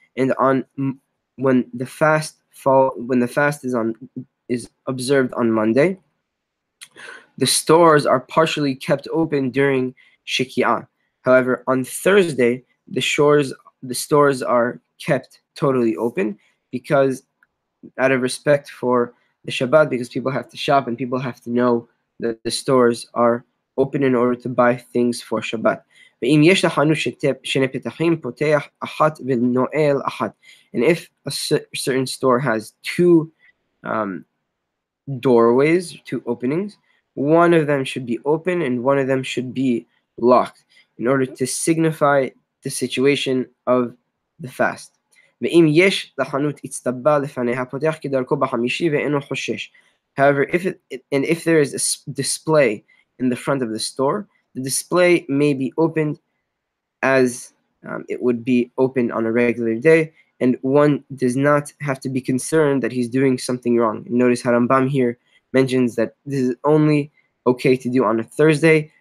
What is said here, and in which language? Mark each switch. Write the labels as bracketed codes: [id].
[en] And on when the fast is observed on Monday, the stores are partially kept open during Shekiah. However, on Thursday, the stores are kept totally open because out of respect for the Shabbat, because people have to shop and people have to know that the stores are open in order to buy things for Shabbat. [he] ואם יש לחנות שני פתחים, פותח אחת ונועל אחת. [en] And if a certain store has two doorways, two openings, one of them should be open and one of them should be locked in order to signify the situation of the fast. [he] ואם יש לחנות הצטבע לפניה, פותח כדרכו בחמישי ואינו חושש. [en] However, if there is a display in the front of the store, the display may be opened as it would be opened on a regular day, and one does not have to be concerned that he's doing something wrong. Notice Harambam here mentions that this is only okay to do on a Thursday.